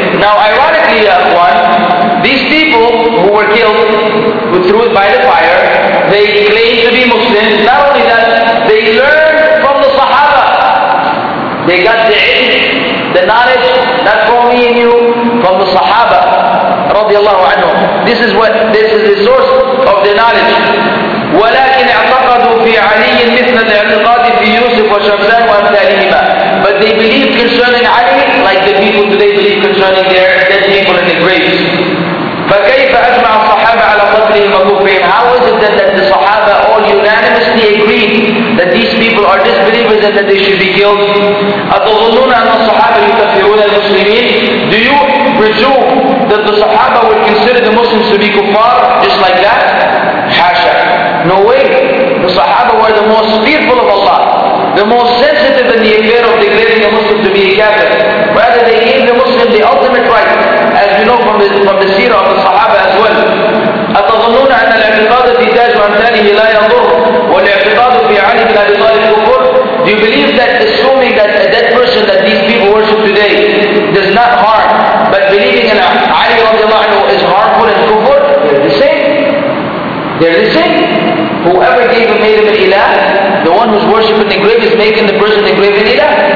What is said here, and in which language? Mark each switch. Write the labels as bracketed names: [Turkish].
[English] Now, ironically, these people who were killed through by the fire, they claimed to be Muslims. Not only that, they learned from the Sahaba. They got the knowledge, not from me and you, from the Sahaba radiallahu anhum. This is the source of the knowledge. [Arabic] ولكن اعتقدوا في علي مثل الاعتقاد في يوسف وشمسان وامثالهما. [English] But they believe concerning Ali like the people today believe concerning their dead people in the graves. [Arabic] فكيف اجمع الصحابه على قتلهم وكفرهم. [English] How is it that the Sahaba all unanimously agreed that these people are disbelievers and that they should be killed? [Arabic] اتظنون ان الصحابه يكفرون المسلمين. [English] Do you presume that the Sahaba would consider the Muslims to be kuffar just like that? Hasha. No way. The Sahaba were the most fearful of Allah, the most sensitive in the affair of declaring a Muslim to be a kafir. Rather, they gave the Muslim the ultimate right, as we know from the seerah of the Sahaba as well. [Arabic] أتظنون أن الاعتقاد في تاج وأمثاله لا يضر والاعتقاد في علي بن أبي طالب كفر. [English] Do you believe that assuming that a dead person that these people worship today does not harm, but believing in Ali رضي الله عنه is harmful and kufr? They're the same. Whoever gave him made him an ilah, the one who's worshiping the grave is making the person the grave an ilah.